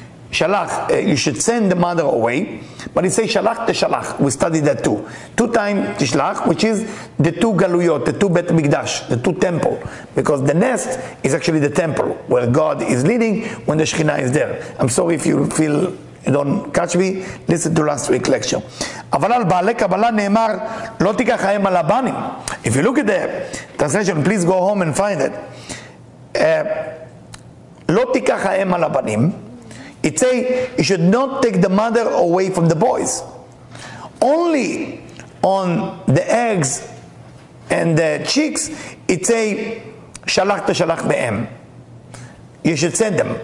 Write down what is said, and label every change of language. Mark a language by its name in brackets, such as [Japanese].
[English] Shalach, you should send the mother away. But it says shalach teshalach. We studied that too. Two times teshalach, which is the two galuyot, the two bet mikdash, the two temple. Because the nest is actually the temple where God is leading when the Shekhinah is there. I'm sorry if you feel you don't catch me. Listen to last week's lecture. [Hebrew] אבל על בעלי קבלה נאמר, לא תיקח חיים על הבנים. [English] If you look at the translation, please go home and find it. [Hebrew] לא תיקח חיים על הבנים. [English] It say, you should not take the mother away from the boys. Only on the eggs and the chicks, it say, [Hebrew] שלח תשלח מהם. [English] You should send them.